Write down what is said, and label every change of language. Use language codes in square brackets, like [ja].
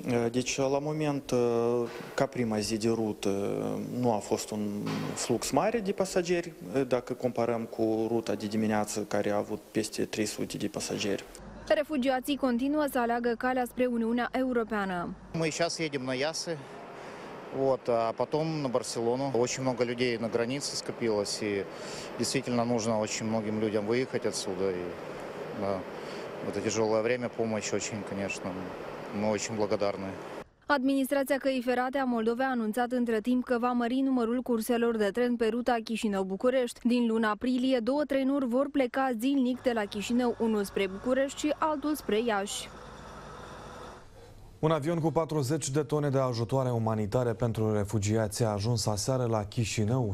[ro] Deci, la moment, ca prima zi de rută, nu a fost un flux mare de pasageri, dacă comparăm cu ruta de dimineață, care a avut peste 300 de pasageri. Refugiații continuă să aleagă calea spre Uniunea Europeană. Noi acum [ru] едем на Ясы, вот, а потом на Барселону. Очень много людей на границе скопилось, и действительно нужно очень многим людям выехать отсюда. И, да, это тяжелое время, помощь очень, конечно. [ro] Administrația Căii Ferate a Moldovei a anunțat între timp că va mări numărul curselor de tren pe ruta Chișinău-București. Din luna aprilie, două trenuri vor pleca zilnic de la Chișinău, unul spre București și altul spre Iași. Un avion cu 40 de tone de ajutoare umanitare pentru refugiați a ajuns aseară la Chișinău.